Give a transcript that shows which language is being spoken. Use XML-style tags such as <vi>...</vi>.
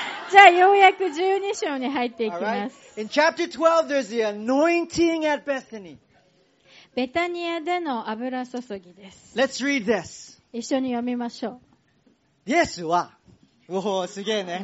<ja>じゃあようやく12章に入っていきます。</ja> <en>Right. In chapter 12, there's the anointing at Bethany.</en> <ja>ベタニアでの油注ぎです。</ja> <en>Let's read this.</en> <ja>一緒に読みましょう。イエスは、おお、すげえね。</ja>